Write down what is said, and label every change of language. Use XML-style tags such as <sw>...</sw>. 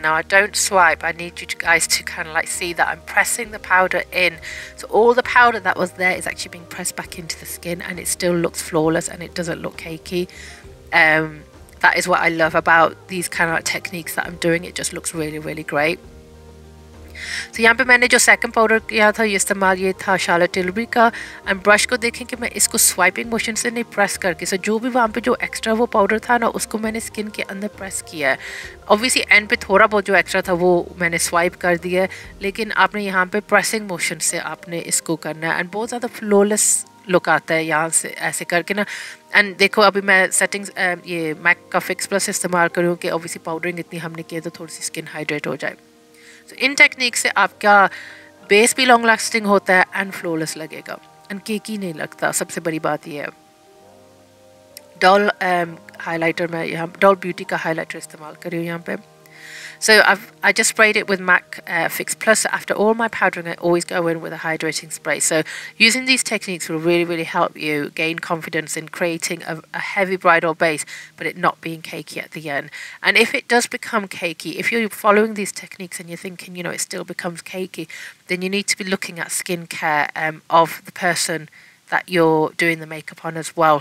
<en>Now I don't swipe, I need you guys to kind of like see that I'm pressing the powder in. So all the powder that was there is actually being pressed back into the skin and it still looks flawless and it doesn't look cakey. That is what I love about these kind of techniques that I'm doing, it just looks really, really great.</en> <hi>तो यहाँ पे मैंने जो second powder किया था ये इस्तेमाल ये था शार्लेट टिलबरी का, एंड ब्रश को देखें कि मैं इसको स्वाइपिंग मोशन से नहीं प्रेस करके, सो जो भी वहाँ पे जो एक्स्ट्रा वो पाउडर था ना उसको मैंने स्किन के अंदर प्रेस किया है. ऑब्वियसली एंड पे थोड़ा बहुत जो एक्स्ट्रा था वो मैंने स्वाइप कर दिया है, लेकिन आपने यहाँ पर प्रेसिंग मोशन से आपने इसको करना है एंड बहुत ज़्यादा फ्लॉलेस लुक आता है यहाँ से ऐसे करके ना. एंड देखो अभी मैं सेटिंग्स ये मैक का फिक्स प्लस इस्तेमाल करूँ कि ऑब्वियसली पाउडरिंग इतनी हमने की है तो थोड़ी सी स्किन हाइड्रेट हो जाए. तो इन टेक्निक से आपका बेस भी लॉन्ग लास्टिंग होता है एंड फ्लॉलेस लगेगा एंड केकी नहीं लगता, सबसे बड़ी बात यह है. डॉल हाइलाइटर, मैं यहाँ डॉल ब्यूटी का हाइलाइटर इस्तेमाल कर रही हूँ यहाँ पे.</hi> <en>So I just sprayed it with MAC Fix Plus. After all my powdering, I always go in with a hydrating spray. So using these techniques will really, really help you gain confidence in creating a heavy bridal base, but it not being cakey at the end. And if it does become cakey, if you're following these techniques and you're thinking, you know, it still becomes cakey, then you need to be looking at skincare of the person that you're doing the makeup on as well.</en>